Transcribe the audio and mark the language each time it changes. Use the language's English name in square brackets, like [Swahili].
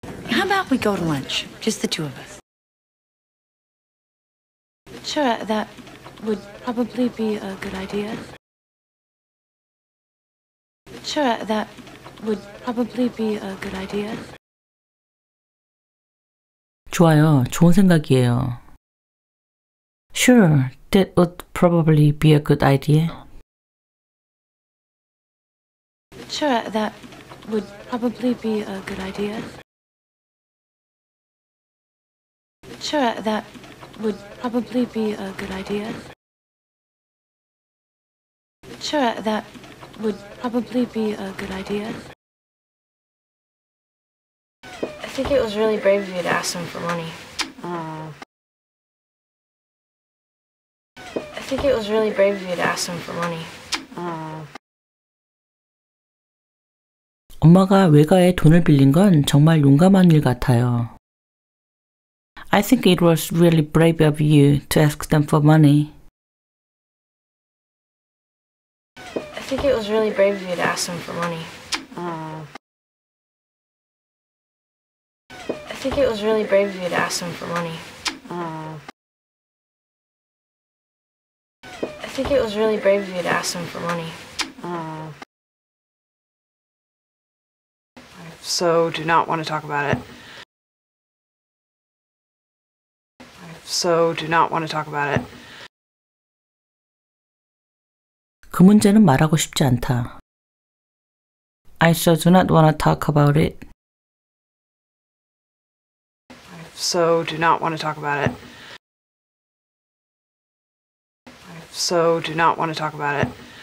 [English] How about we go to lunch, just the two of us? Sure, that would probably be a good idea. Sure, that would probably be a good idea. [Korean] 좋아요, 좋은 생각이에요. [English] Sure, that would probably be a good idea. Sure, that would probably be a good idea. Sure, that would probably be a good idea. Sure, that would probably be a good idea. I think it was really brave of you to ask them for money. I think it was really brave of you to ask them for money. [Korean] 엄마가 외가에 돈을 빌린 건 정말 용감한 일 같아요. [English] I think it was really brave of you to ask them for money. I think it was really brave of you to ask them for money. I think it was really brave of you to ask them for money. I think it was really brave of you to ask them for money. I so do not want to talk about it. I so do not want to talk about it. [Korean] 그 문제는 말하고 싶지 않다. [English] I so do not want to talk about it. I so do not want to talk about it. So do not want to talk about it.